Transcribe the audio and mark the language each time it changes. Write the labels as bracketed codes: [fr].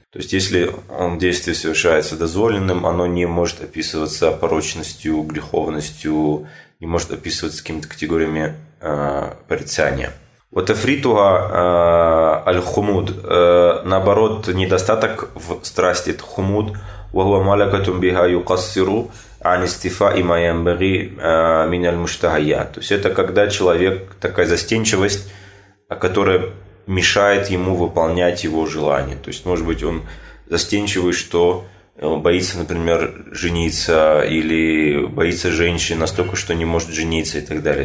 [ru] То есть если он действие совершается дозволенным, оно не может описываться порочностью, греховностью, не может описываться какими-то категориями порицания. Вот [ar] афритуга аль-хумуд, [ru] наоборот, недостаток в страсти – это хумуд. [ar] وهو ملكة بها يقصر عن استفاء ما ينبغي من المشتهيات. [ru] То есть это когда человек, такая застенчивость, которая мешает ему выполнять его желания. То есть, может быть, он застенчивый, что боится, например, жениться, или боится женщин настолько, что не может жениться и так далее.